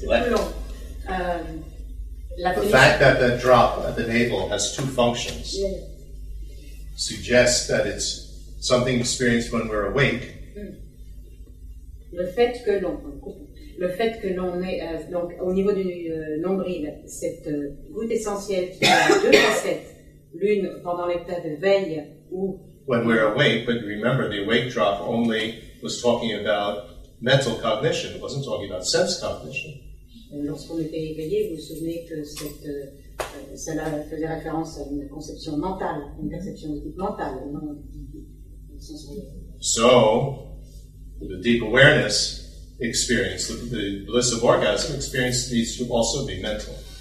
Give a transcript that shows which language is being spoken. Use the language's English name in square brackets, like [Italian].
[English] The fact that the drop at the navel has two functions suggests that it's something experienced when we're awake. [French] Le fait que l'on est donc au niveau du nombril, cette goutte essentielle qui a deux facettes, l'une pendant l'état de veille ou. [English] When we're awake, but remember the awake drop only was talking about mental cognition, it wasn't talking about sense cognition. [French] Lorsqu'on était éveillé, vous vous souvenez que cela faisait référence à une conception mentale, une perception mentale, non sensorielle. [English] So, the deep awareness experience, the bliss of orgasm experience needs to also be mental.